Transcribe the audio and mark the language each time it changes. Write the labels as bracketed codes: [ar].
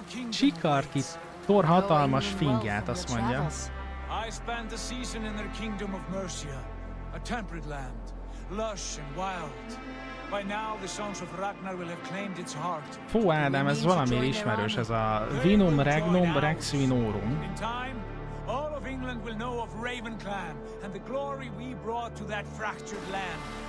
[hu] Csikart ki Thor hatalmas fingját, azt mondja. [en] I spent a season in their kingdom of Mercia, a temperate land, lush and wild. By now the sons of Ragnar will have claimed its heart. [hu] Fú, Ádám, ez valami ismerős, ez a Vinum Regnum Rex Vinorum. [en] All of England will know of Raven Clan and the glory we brought to that fractured land.